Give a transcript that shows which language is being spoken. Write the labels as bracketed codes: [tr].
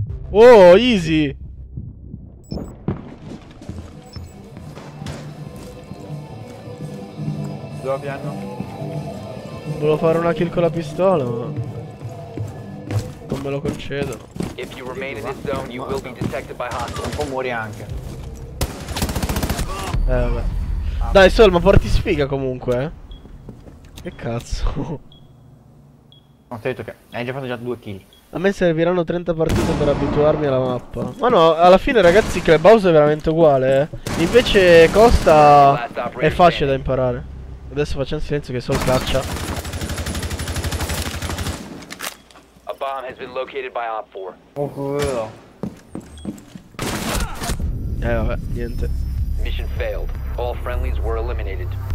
[en] Oh, easy! [it] Dove piano? Volevo fare una kill con la pistola, ma non me lo concedono. [en] If you remain in this zone, you will be detected by hostile. [it] Un po' muori anche. Vabbè. Dai Sol, ma porti sfiga comunque. Che cazzo? Ho detto che hai già fatto già 2 kill. A me serviranno 30 partite per abituarmi alla mappa. Ma no, alla fine ragazzi, Clubhouse è veramente uguale, eh. Invece Costa è facile da imparare. Adesso facciamo silenzio che Sol caccia. [en] A bomb has been located by op 4. [it] Oh, quello. Vabbè, niente. [en] Mission failed. All friendlies were eliminated.